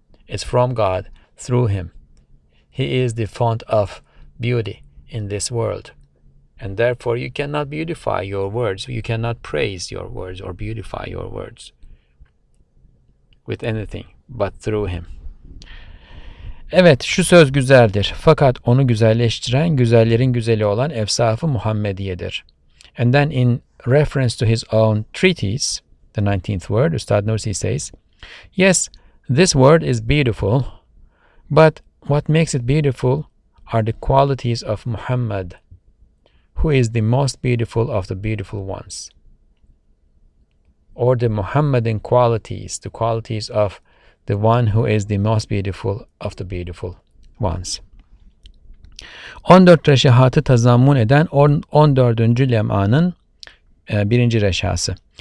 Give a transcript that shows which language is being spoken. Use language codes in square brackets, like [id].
[en] It's from God through him. He is the font of beauty in this world. And therefore, you cannot beautify your words. You cannot praise your words or beautify your words with anything but through him." [tr] Evet, şu söz güzeldir. Fakat onu güzelleştiren güzellerin güzeli olan efsafı Muhammediyedir. [en] And then in reference to his own treatise, the 19th word, Ustad Nursi says, "Yes, this word is beautiful, but what makes it beautiful are the qualities of Muhammad, who is the most beautiful of the beautiful ones." Or the Muhammadan qualities, the qualities of the one who is the most beautiful of the beautiful ones. [tr] 14 reşahatı tazammun eden 14. lem'anın birinci reşası.